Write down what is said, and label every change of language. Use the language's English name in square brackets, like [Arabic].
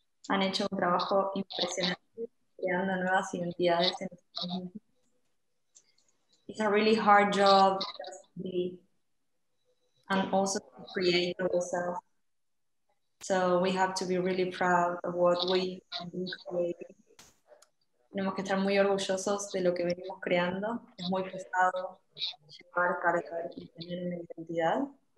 [Spanish] Han hecho un trabajo impresionante creando nuevas identidades en ti. [English] It's a really hard job just to be and also to create yourself. So we have to be really proud of what we have been creating. [Spanish] Tenemos que estar muy orgullosos de lo que venimos creando. Es muy pesado llevar, cargar y tener una identidad.